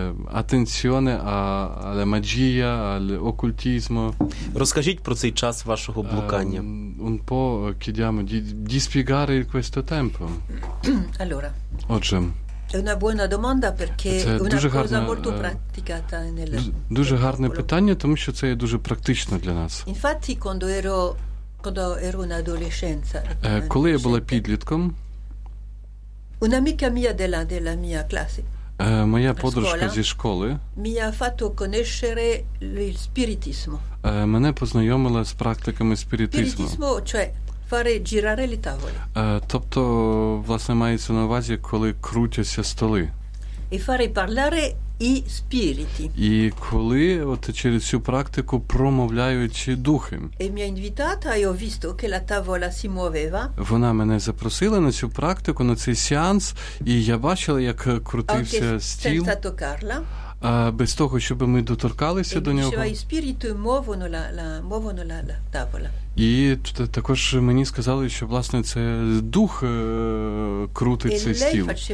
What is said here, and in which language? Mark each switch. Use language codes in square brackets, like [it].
[it] attenzione alla magia, all'occultismo. [uk] Розкажіть про цей час вашого блукання. [it] Un po' chiediamo di spiegare questo tempo. Allora. [uk] Отже. [it] È una buona domanda perché è una cosa molto praticata nel [uk] Дуже гарне питання, тому що це є дуже практично для нас. [it] Infatti quando ero in adolescenza. [uk] Коли я була підлітком. [it] Un'amica mia della mia classe. [uk] Моя подружка зі школи [it] mi ha fatto conoscere il spiritismo. [uk] Мене познайомила з практиками спіритизму. [it] Spiritismo, cioè fare girare le tavole. [uk] Тобто, власне, мається на увазі, коли крутяться столи. [it] E fare parlare i spiriti. [uk] І коли от через цю практику промовляють духи. [it] E mi ha invitata e ho visto che la tavola si muoveva. [uk] Вона мене запросила на цю практику, на цей сеанс, і я бачила, як крутився [it] anche [uk] стіл. [it] Senza toccarla. [uk] Без того, щоб ми доторкалися [it] e [uk] до нього. [it] Diceva, i spiriti muovono la tavola. [uk] І також мені сказали, що, власне, це дух крутить цей стіл.